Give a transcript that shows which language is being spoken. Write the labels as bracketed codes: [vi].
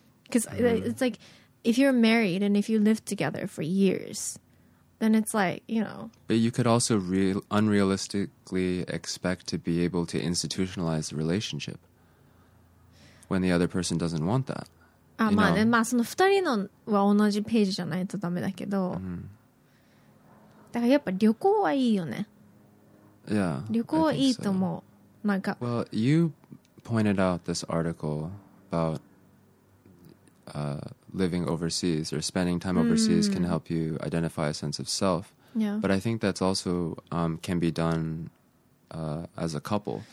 [en] Because it's like, if you're married and if you live together for years... then it's like, you know. But you could also unrealistically expect to be able to institutionalize the relationship when the other person doesn't want that. [ja] Ah, まあね、まあその二人のは同じページじゃないとダメだけど。だからやっぱ旅行はいいよね。 [en] Yeah. [ja] 旅行はいいと思う。なんか。 [en] Well, you pointed out this article about living overseas or spending time overseas can help you identify a sense of self. Yeah. But I think that's also can be done as a couple.